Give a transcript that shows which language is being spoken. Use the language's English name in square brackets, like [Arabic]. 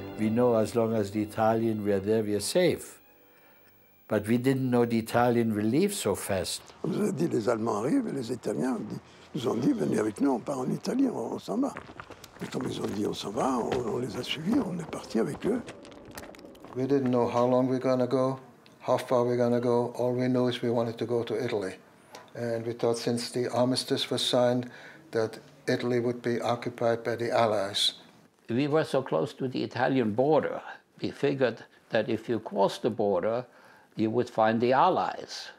[English] Know as long as the Italian were there, we are safe. But we didn't know the Italian will leave so fast. [French] On nous a dit les Allemands arrivent, les Italiens nous ont dit venez avec nous, on part en Italie, on s'en va. Et comme ils ont dit on s'en va, on les a suivis, on est parti avec eux. [English] We didn't know how long we're gonna go, how far we're gonna go. All we know is we wanted to go to Italy, and we thought since the armistice was signed, that Italy would be occupied by the Allies. We were so close to the Italian border, we figured that if you cross the border, you would find the Allies.